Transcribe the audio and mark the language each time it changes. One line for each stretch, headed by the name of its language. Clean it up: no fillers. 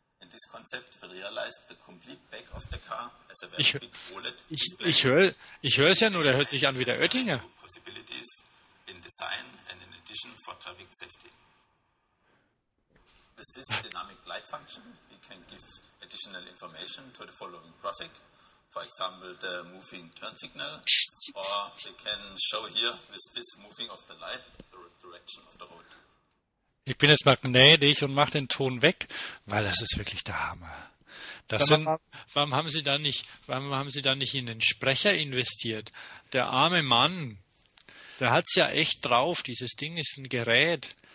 English: This concept will realize the complete back of the car as a very big OLED display.
German: Ich höre es ja nur, der hört nicht an wie der Oettinger.
English: Possibilities in design and in addition for traffic safety. With this dynamic light function, we can give additional information to the following graphic. For example, the moving turn signal. Or we can show here with this moving of the light the direction of the road.
German: Ich bin jetzt mal gnädig und mache den Ton weg, weil das ist wirklich der Hammer. Warum haben Sie da nicht in den Sprecher investiert? Der arme Mann, der hat es ja echt drauf. Dieses Ding ist ein Gerät.